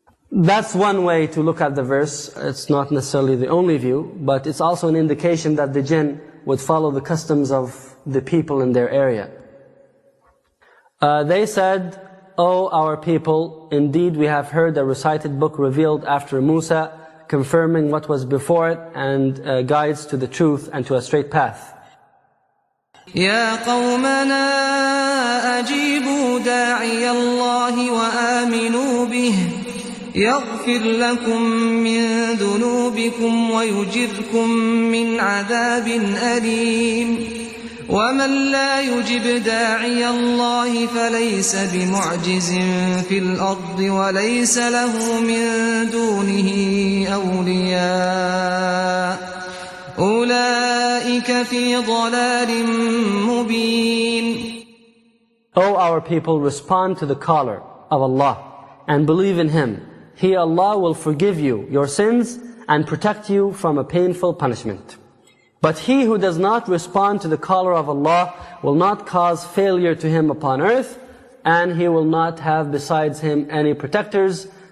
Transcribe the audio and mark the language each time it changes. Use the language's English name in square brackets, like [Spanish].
[English] That's one way to look at the verse. It's not necessarily the only view, but it's also an indication that the jinn would follow the customs of the people in their area. They said, O our people, indeed we have heard a recited book revealed after Musa, confirming what was before it, and guides to the truth and to a straight path. [Arabic] يا قومنا أجيبوا داعي الله وآمنوا به يغفر لكم من ذنوبكم ويجركم من عذاب أليم ومن لا يجب داعي الله فليس بمعجز في الأرض وليس له من دونه أولياء أُولَٰئِكَ فِي ضَلَالٍ مُّبِينٍ [English] O our people, respond to the caller of Allah and believe in Him. He, Allah, will forgive you your sins and protect you from a painful punishment. But he who does not respond to the caller of Allah will not cause failure to him upon earth, and he will not have besides him any protectors.